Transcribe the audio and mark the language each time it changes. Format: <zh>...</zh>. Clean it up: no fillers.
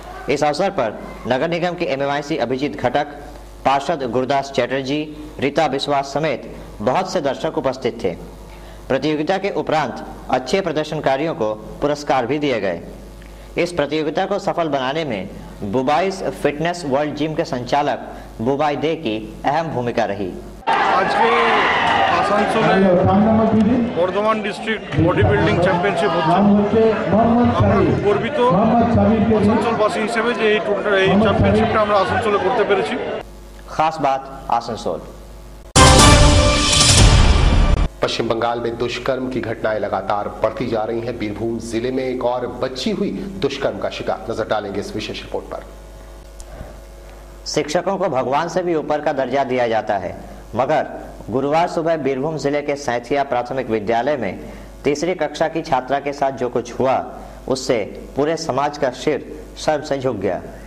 <hi>इस अवसर पर नगर निगम के MMIC अभिजीत घटक, पार्षद गुरुदास चैटर्जी, रीता विश्वास समेत बहुत से दर्शक उपस्थित थे। प्रतियोगिता के उपरांत अच्छे प्रदर्शनकारियों को पुरस्कार भी दिए गए। इस प्रतियोगिता को सफल बनाने में बुबाइस फिटनेस वर्ल्ड जिम के संचालक बुबाई दे की अहम भूमिका रही। आज के</hi> <bn>আসানসোলে Bardhaman district body building championship হচ্ছে। আমরা খুব গর্বিত আসানসোলবাসী হিসেবে যে এই টুর্নামেন্ট এই চ্যাম্পিয়নশিপটা আমরা আসানসোলে করতে পেরেছি। খাস বাত আসানসোল।</bn> <hi>पश्चिम बंगाल में दुष्कर्म की घटनाएं लगातार बढ़ती जा रही हैं। बीरभूम जिले में एक और बच्ची हुई दुष्कर्म का शिकार। नजर डालेंगे इस विशेष रिपोर्ट पर। शिक्षकों को भगवान से भी ऊपर का दर्जा दिया जाता है, मगर गुरुवार सुबह बीरभूम जिले के सैथिया प्राथमिक विद्यालय में तीसरी कक्षा की छात्रा के साथ जो कुछ हुआ उससे पूरे समाज का सिर शर्म से झुक गया।</hi>